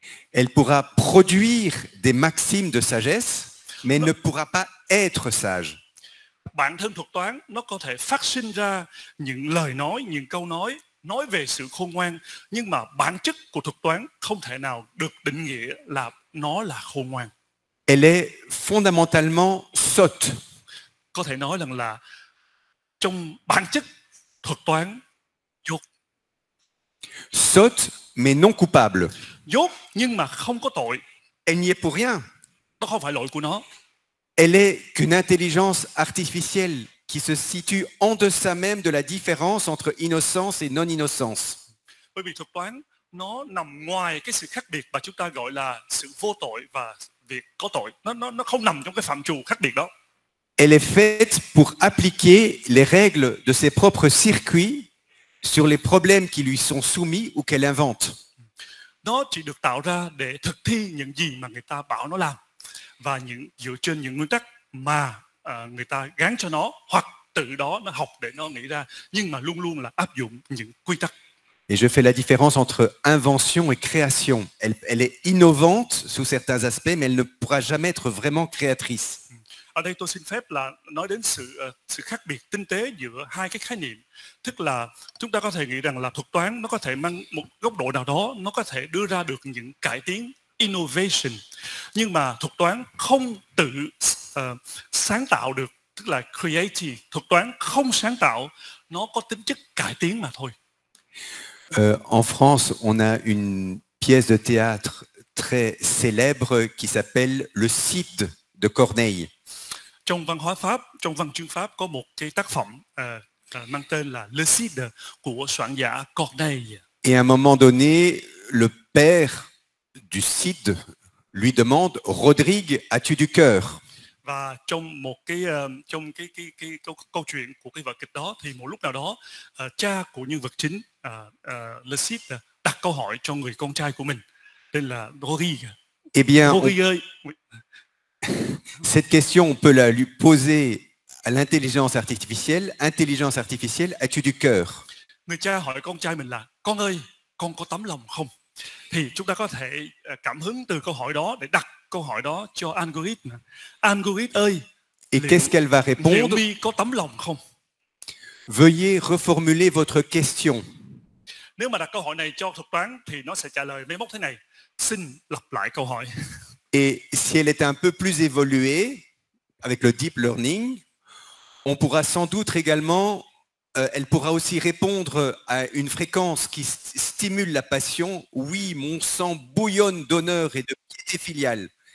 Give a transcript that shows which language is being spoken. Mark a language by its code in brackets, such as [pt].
[fr] Elle pourra produire des maximes de sagesse, mais ne pourra pas être sage. [vi] Bản thân thuật toán nó có thể phát sinh ra những lời nói, những câu nói về sự khôn ngoan, nhưng mà bản chất của thuật toán không thể nào được định nghĩa là nó là khôn ngoan. [fr] Elle est fondamentalement sotte. [vi] Có thể nói rằng là trong bản chất thuật toán dốt. [fr] Sotte mais non coupable. [vi] Dốt nhưng mà không có tội. [fr] Elle n'y est pour rien. [vi] Nó không phải lỗi của nó. [fr] Elle est qu'une intelligence artificielle qui se situe en deçà même de la différence entre innocence et non-innocence. [vi] Bởi vì thuật toán nó nằm ngoài cái sự khác biệt mà chúng ta gọi là sự vô tội và việc có tội. Nó không nằm trong cái phạm trù khác biệt đó. [fr] Elle est faite pour appliquer les règles de ses propres circuits sur les problèmes qui lui sont soumis ou qu'elle invente. [vi] Nó chỉ được tạo ra để thực thi những gì mà người ta bảo nó làm và những dựa trên những nguyên tắc mà người ta gán cho nó, hoặc từ đó nó học để nó nghĩ ra, nhưng mà luôn luôn là áp dụng những quy tắc. [fr] Et je fais la différence entre invention et création. Elle est innovante sous certains aspects, mais elle ne pourra jamais être vraiment créatrice. [vi] ở đây tôi xin phép là nói đến sự sự khác biệt tinh tế giữa hai cái khái niệm. Tức là chúng ta có thể nghĩ rằng là thuật toán nó có thể mang một góc độ nào đó, nó có thể đưa ra được những cải tiến, innovation. Nhưng mà thuật toán không tự sáng tạo được, tức là creative. Thuật toán không sáng tạo, nó có tính chất cải tiến mà thôi. [fr] En France, on a une pièce de théâtre très célèbre qui s'appelle Le Cid de Corneille. [vi] Trong văn hóa Pháp, trong văn chương Pháp có một cái tác phẩm mang tên là Le Cid của soạn giả Corneille. [fr] Et à un moment donné, le père du Cid lui demande: Rodrigue, as-tu du cœur? [vi] Và trong một cái trong cái câu chuyện của cái vở kịch đó thì một lúc nào đó cha của nhân vật chính Le Cid đặt câu hỏi cho người con trai của mình tên là Rodrigue. [fr] Eh bien, Rodrigue, cette question, on peut la lui poser à l'intelligence artificielle. Intelligence artificielle, as-tu du cœur? [vi] Người cha hỏi con trai mình là: con ơi, con có tấm lòng không? Thì chúng ta có thể cảm hứng từ câu hỏi đó để đặt câu hỏi đó cho algorithm. Algorithm ơi, [fr] et qu'est-ce qu'elle va répondre? [vi] Liệu mi có tấm lòng không? [fr] Veuillez reformuler votre question. [vi] Nếu mà đặt câu hỏi này cho thuật toán thì nó sẽ trả lời mấy mốc thế này: xin lặp lại câu hỏi. [fr] Et si elle est un peu plus évoluée avec le deep learning, on pourra sans doute également, elle pourra aussi répondre à une fréquence qui stimule la passion. Oui, mon sang bouillonne d'honneur et de piété filiale.